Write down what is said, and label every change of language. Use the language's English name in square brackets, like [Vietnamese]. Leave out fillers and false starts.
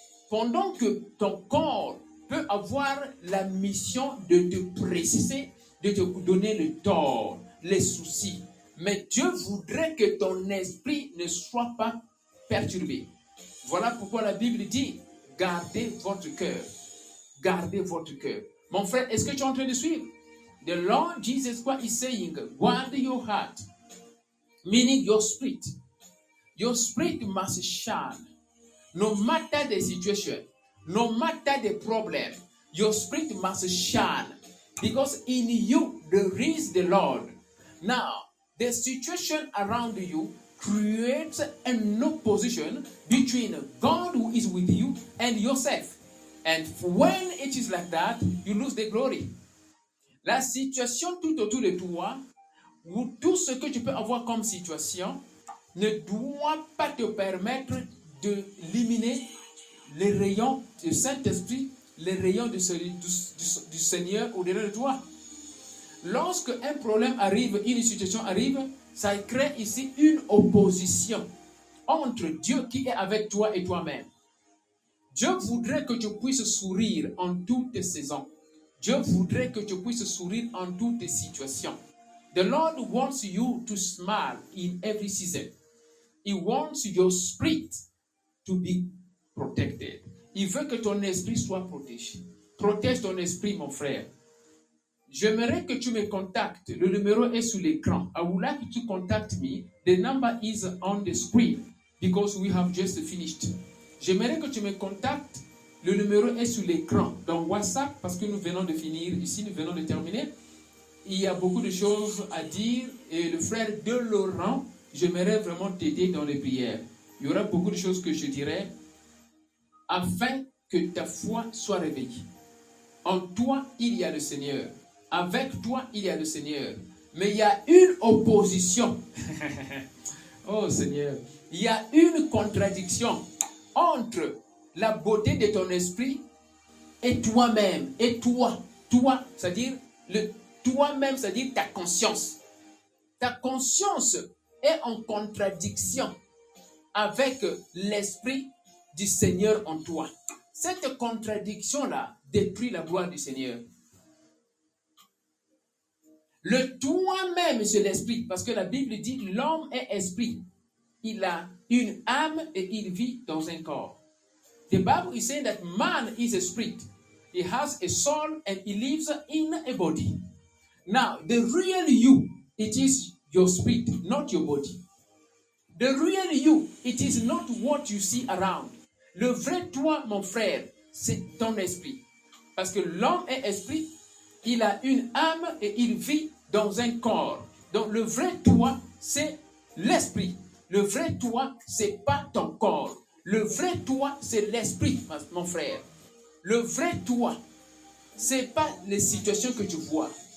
[French] Pendant que ton corps peut avoir la mission de te presser, de te donner le tort, les soucis. Mais Dieu voudrait que ton esprit ne soit pas perturbé. Voilà pourquoi la Bible dit, gardez votre cœur. Gardez votre cœur. Mon frère, est-ce que tu es en train de suivre? [English] The Lord Jesus Christ is saying, guard your heart, meaning your spirit. Your spirit must shine. No matter the situation, no matter the problem, your spirit must shine. Because in you, there is the Lord. Now, the situation around you creates an opposition between God who is with you and yourself. And when it is like that, you lose the glory. [French] La situation tout autour de toi, ou tout ce que tu peux avoir comme situation, ne doit pas te permettre d'éliminer les rayons du Saint-Esprit, les rayons du Seigneur au-delà de toi. Lorsque un problème arrive, une situation arrive, ça crée ici une opposition entre Dieu qui est avec toi et toi-même. Dieu voudrait que tu puisses sourire en toutes saisons. Dieu voudrait que tu puisses sourire en toutes situations. [English] The Lord wants you to smile in every season. He wants your spirit to be protected. [French] Il veut que ton esprit soit protégé. Protège ton esprit, mon frère. J'aimerais que tu me contactes. Le numéro est sur l'écran. [English] I would like to contact me. The number is on the screen because we have just finished. [French] J'aimerais que tu me contactes. Le numéro est sur l'écran. Dans WhatsApp, parce que nous venons de finir ici, nous venons de terminer. Il y a beaucoup de choses à dire. Et le frère de Laurent, j'aimerais vraiment t'aider dans les prières. Il y aura beaucoup de choses que je dirais afin que ta foi soit réveillée. En toi, il y a le Seigneur. Avec toi, il y a le Seigneur. Mais il y a une opposition. Oh Seigneur, il y a une contradiction entre la beauté de ton esprit et toi-même. Et toi, toi, c'est-à-dire le toi-même, c'est-à-dire ta conscience. Ta conscience est en contradiction avec l'esprit du Seigneur en toi. Cette contradiction-là détruit la gloire du Seigneur. Le toi-même, c'est l'esprit, parce que la Bible dit que l'homme est esprit. Il a une âme et il vit dans un corps. [English] The Bible is saying that man is a spirit. He has a soul and he lives in a body. Now, the real you, it is your spirit, not your body. The real you, it is not what you see around. [French] Le vrai toi, mon frère, c'est ton esprit. Parce que l'homme est esprit, il a une âme et il vit dans un corps. Donc, le vrai toi, c'est l'esprit. Le vrai toi, c'est pas ton corps. Le vrai toi, c'est l'esprit, mon frère. Le vrai toi, c'est pas les situations que tu vois.